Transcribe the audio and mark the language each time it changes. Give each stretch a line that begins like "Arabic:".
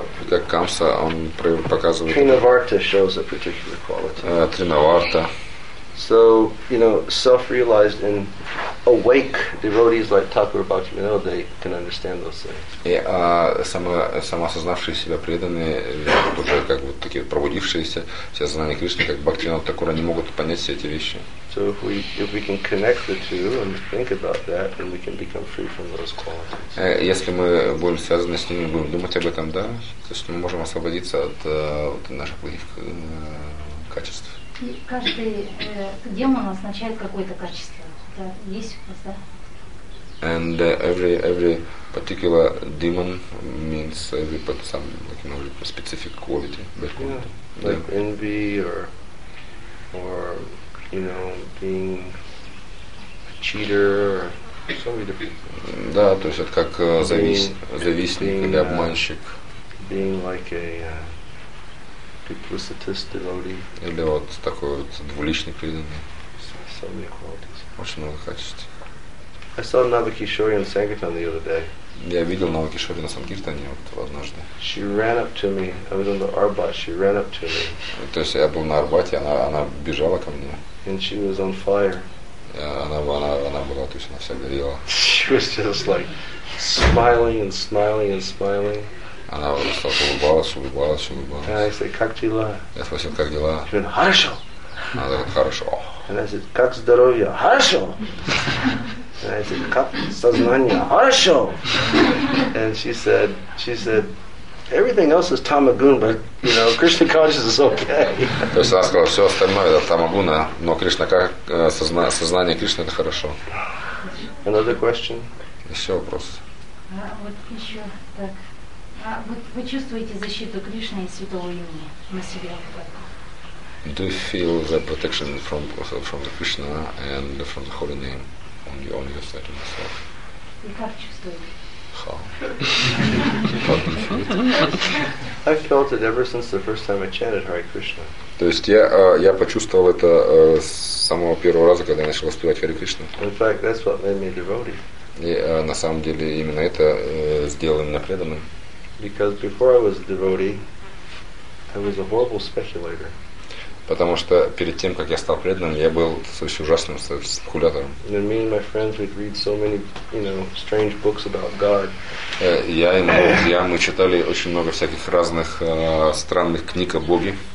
Russian: Как Камса, он показывает.
English: Тринаварта shows a particular quality.
Russian: Тринаварта.
English: So, you know, self-realized and awake devotees like Thakur Bhaktivinoda, they can understand those things.
Russian: И самоосознавшие себя преданные, уже как вот такие пробудившиеся, все знания Кришны, как Бхактивинода Такура, они могут понять все эти вещи.
English: So if we can connect the two and think about that, then we can become free from those qualities.
Russian: Если мы будем связаны с ними, будем думать об этом, да, то есть мы можем освободиться от наших плохих качеств. Каждый демон означает какое-то качество. Да, есть у вас, да?
English: And every particular demon means every but some like you know specific quality. Yeah. Like envy or you know being a cheater or
Russian: Да, то есть это как завистник или обманщик.
English: Being like a duplicitous devotee.
Russian: Или вот такой вот двуличный преданный.
English: So many qualities.
Russian: Очень много качеств.
English: I saw Navakishori in Sankirtan the other day.
Russian: Я видел Навакишори на Санкиртане вот однажды.
English: She ran up to me. I was on the Arbat. She ran up to me.
Russian: То есть я был на Арбате, она бежала ко мне.
English: And she was on fire.
Russian: Она была, то есть она вся горела.
English: She was just like smiling and smiling and smiling.
Russian: Она просто улыбалась.
English: And I said,
Russian: как дела? Я спросил, как дела?
English: She went,
Russian: хорошо. Она говорит, хорошо.
English: And I said,
Russian: как здоровье? Хорошо.
English: And I said,
Russian: как сознание? Хорошо.
English: And she said, everything else is tamagun, but you know, Krishna consciousness is okay.
Russian: То есть она сказала, все остальное это тамагуна, но Кришна как сознание Кришны это хорошо.
English: Another question.
Russian: Еще вопрос. А вот еще так. Вы чувствуете защиту Кришны и святого имени на себе?
English: Do you feel the protection from the Krishna and from the holy name on your own yourself? You have to feel it. How? I felt it ever since the first time I chanted Hare Krishna.
Russian: То есть я почувствовал это с самого первого раза, когда я начал воспевать Hare Krishna.
English: In fact, that's what made me a devotee.
Russian: И на самом деле именно это сделало меня преданным.
English: Because before I was a devotee, I was a horrible speculator.
Russian: Потому что перед тем, как я стал преданным, я был совсем ужасным спекулятором.
English: And me and my friends would read so many, you know, strange books about God.
Russian: Я и мои друзья, мы читали очень много всяких разных странных книг о Боге.